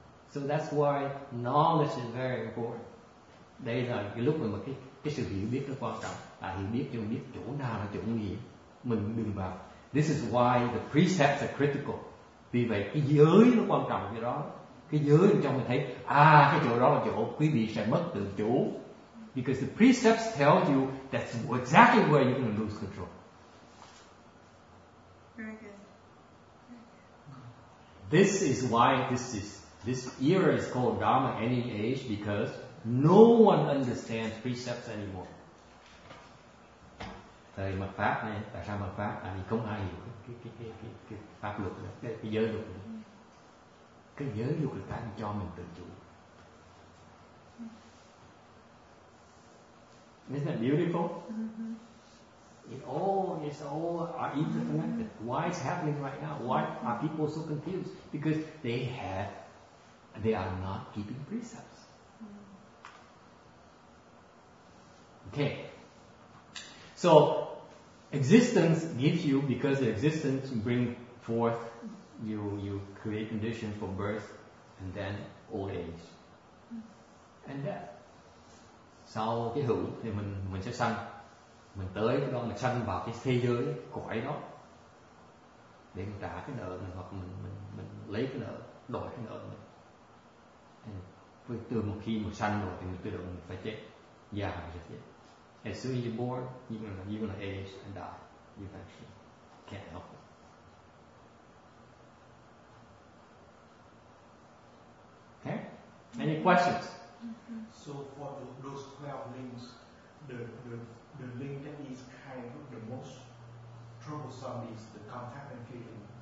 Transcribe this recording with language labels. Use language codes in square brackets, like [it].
[en] So that's why knowledge is very important. [vi] Đây là cái lúc mà cái sự hiểu biết nó quan trọng. À, hiểu biết cho mình biết chỗ nào là chỗ nguy hiểm, mình đừng vào. [en] This is why the precepts are critical. [vi] Vì vậy cái giới nó quan trọng cái đó. Cái giới trong mình thấy cái chỗ đó là chỗ quý vị sẽ mất từ chủ. [en] Because the precepts tell you that's exactly where you're going to lose control. Very good. This is why this era is called Dharma Any Age, because no one understands precepts anymore. [vi] Thời mật pháp này, tại sao mật pháp? Tại vì không ai hiểu cái pháp luật này, cái giới luật này. Cái giới luật là cái cho mình tự chủ. [en] Isn't that beautiful? Mm-hmm. It's all interconnected. Mm-hmm. Why it's happening right now? Why are people so confused? Because they are not keeping precepts. Mm-hmm. Okay. So existence gives you, because the existence bring forth, you create conditions for birth and then old age. Mm-hmm. And death. [vi] Sau cái hữu thì mình sẽ sanh, mình tới cái đó mình sanh vào cái thế giới cõi đó để mình trả cái nợ mình, hoặc mình lấy cái nợ, đổi cái nợ mình. Với từ một khi mình sanh rồi thì mình tự động mình phải chết, già rồi chết. [en] As soon as you're born, you're gonna age and die. You actually can't help it. Okay? Any questions? So for those 12 links, the link that is kind of the most troublesome is the contact and feeling.